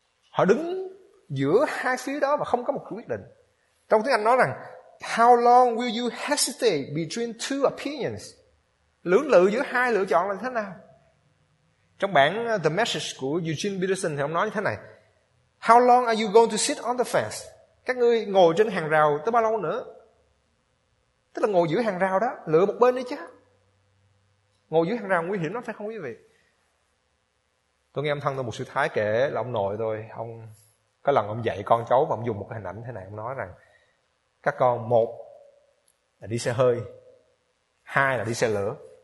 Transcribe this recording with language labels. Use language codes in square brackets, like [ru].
[vi] Họ đứng giữa hai phía đó và không có một quyết định. Trong tiếng Anh nói rằng, [en] how long will you hesitate between two opinions? [vi] Lưỡng lự giữa hai lựa chọn là thế nào? Trong bản The Message của Eugene Peterson thì ông nói như thế này: [en] How long are you going to sit on the fence? [vi] Các ngươi ngồi trên hàng rào tới bao lâu nữa? Tức là ngồi giữa hàng rào đó, lựa một bên đi chứ. Ngồi giữa hàng rào nguy hiểm lắm phải không quý vị? Tôi nghe ông thân tôi một sư thái kể là ông nội tôi, ông có lần ông dạy con cháu và ông dùng một cái hình ảnh thế này, ông nói rằng các con, một là đi xe hơi, hai là đi xe lửa.